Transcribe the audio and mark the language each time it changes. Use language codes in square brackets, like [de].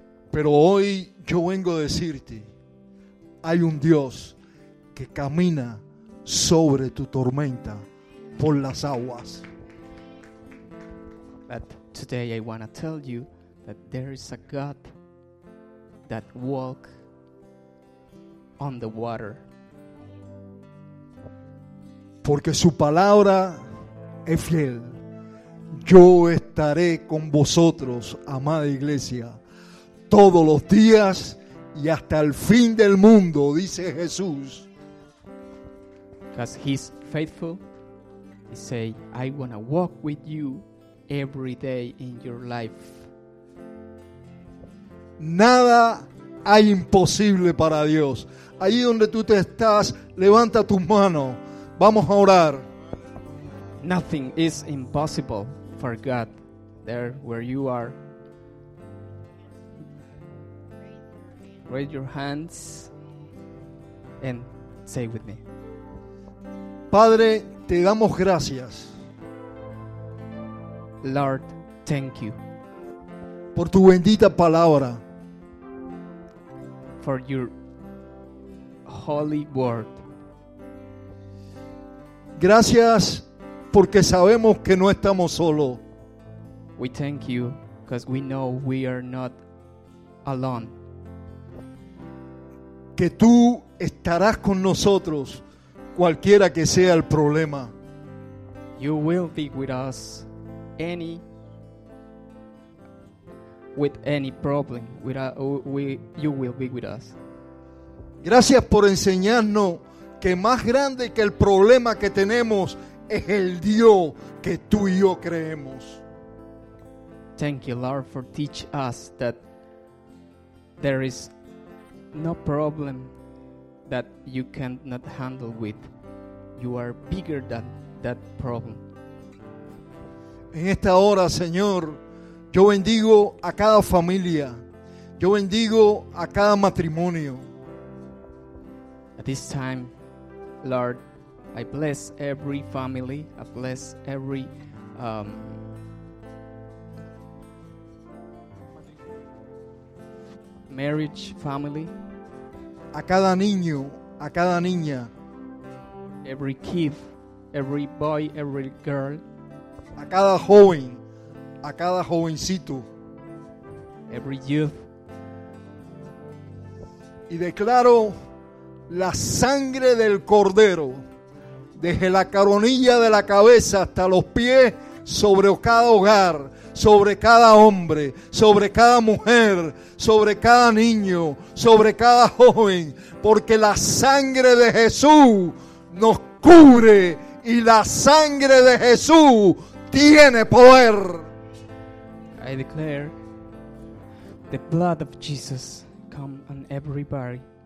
[es] Pero hoy yo vengo a decirte, hay un Dios que camina sobre tu tormenta por las aguas. [en] But today I want to tell you that there is a God that walk on the water. [es] Porque su palabra es fiel. Yo estaré con vosotros, amada iglesia, todos los días y hasta el fin del mundo, dice Jesús. [en] Because he's faithful, he say, I want to walk with you every day in your life. [es] Nada hay imposible para Dios. Ahí donde tú te estás, levanta tus manos. Vamos a orar. [en] Nothing is impossible for God. There where you are. Raise your hands and say with me. [es] Padre, te damos gracias. [en] Lord, thank you. [es] Por tu bendita palabra. [en] For your holy word. [es] Gracias porque sabemos que no estamos solos. [en] We thank you because we know we are not alone. [es] Que tú estarás con nosotros cualquiera que sea el problema. [en] You will be with us any with any problem. You will be with us. [es] Gracias por enseñarnos que más grande que el problema que tenemos es el Dios que tú y yo creemos. [en] Thank you, Lord, for teach us that there is no problem that you cannot handle with. You are bigger than that problem. [es] En esta hora, Señor, yo bendigo a cada familia. Yo bendigo a cada matrimonio. [en] At this time, Lord, I bless every family. I bless every marriage family. [es] A cada niño, a cada niña. [en] Every kid, every boy, every girl. [es] A cada joven, a cada jovencito. [en] Every youth. [es] Y declaro la sangre del cordero desde la coronilla de la cabeza hasta los pies sobre cada hogar, sobre cada hombre, sobre cada mujer, sobre cada niño, sobre cada joven, porque la sangre de Jesús nos cubre y la sangre de Jesús tiene poder. [en] I declare the blood of Jesus come on everybody.